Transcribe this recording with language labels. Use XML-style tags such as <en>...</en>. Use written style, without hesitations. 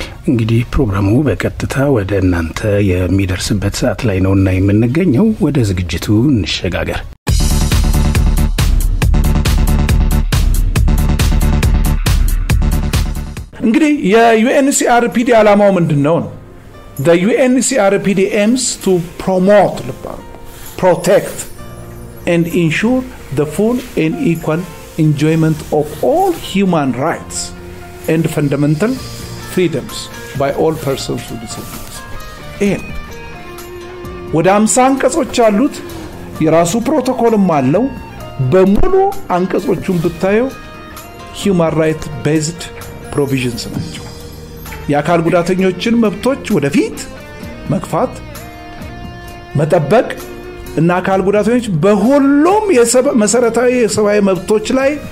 <am>እንግዲህ ፕሮግራሙ በቀጥታ ወደ እናንተ የሚደርስበት ሰዓት ላይ ነው እና የምንገኘው ወደ ዝግጅቱ እንሸጋገር። እንግዲህ የዩኤንሲአርፒዲ አላማው ምንድን ነው?</am> <en>The UNCRPD aims to promote, protect and ensure the full and equal enjoyment of all human rights and fundamental freedoms by all persons with disabilities.</en> <am>ይሄ ወደ 50 አንቀጾች አሉት። የራሱ ፕሮቶኮልም አለው። በሙሉ አንቀጾቹን ብታየው</am> <en>human rights based provisions</en> <am>ናቸው። የአካል ጉዳተኞችን መብቶች ወደፊት መግፋት መጠበቅ እና አካል ጉዳተኞች በሁሉም መሰረታዊ የሰብአዊ መብቶች ላይ</am>